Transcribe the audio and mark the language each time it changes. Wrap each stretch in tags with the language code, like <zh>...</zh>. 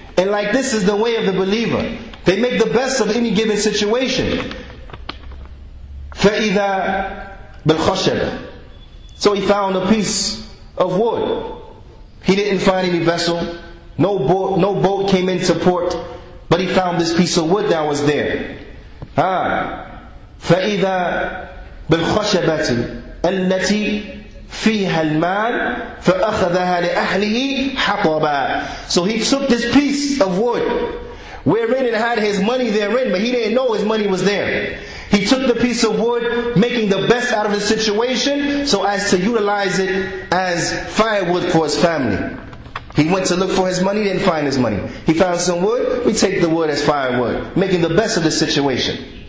<en>And like this is the way of the believer. They make the best of any given situation.</en> <ar>فَإِذَا بِالْخَشَبَ.</ar> <en>So he found a piece of wood. He didn't find any vessel. No boat came into port. But he found this piece of wood that was there. Ah.</en> <ar>فَإِذَا بِالْخَشَبَةِ التي فيها المال فأخذها لأهله حطبا.</ar> <en>So he took this piece of wood wherein it had his money therein, but he didn't know his money was there. He took the piece of wood, making the best out of the situation so as to utilize it as firewood for his family. He went to look for his money, didn't find his money. He found some wood, we take the wood as firewood, making the best of the situation.</en>